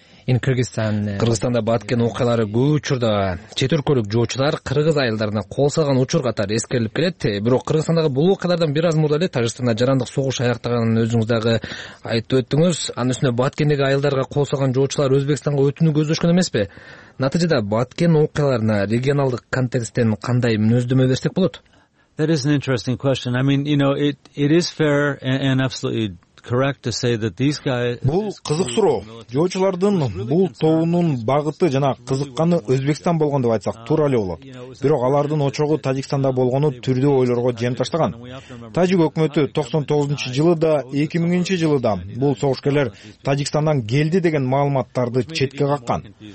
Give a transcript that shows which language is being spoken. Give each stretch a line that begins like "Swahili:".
Kyrgyz: Кыргызстанда баткен окуялары көп учурда чет өлкөлүк жоочулар кыргыз айылдарына кол салган учур катары эскерилип келет. Бирок Кыргызстандагы бул окуялардан бир аз мурда эле Тажикстанда жарандык согуш аяктаганын өзүңүз дагы айтып өттүңүз. Анын үстүнө баткендеги айылдарга кол салган жоочулар Өзбекстанга өтүүнү көздөшкөн эмеспи? Натыйжада баткен окуяларына регионалдык контексттен кандай мүнөздөмө берсек болот?
English: That is an interesting question. I mean, you know, it is fair and absolutely correct to say that these guys
Kyrgyz: бул кызык суроо. Жоочулардын бул тобунун багыты жана кызыкканы Өзбекстан болгон деп айтсак туура эле болот. Бирок алардын очогу Тажикстанда болгону түрдүү ойлорго жем таштаган. Тажик өкмөтү 99-жылы да 2000-жылы да бул согушкерлер Тажикстандан келди деген маалыматтарды четке каккан.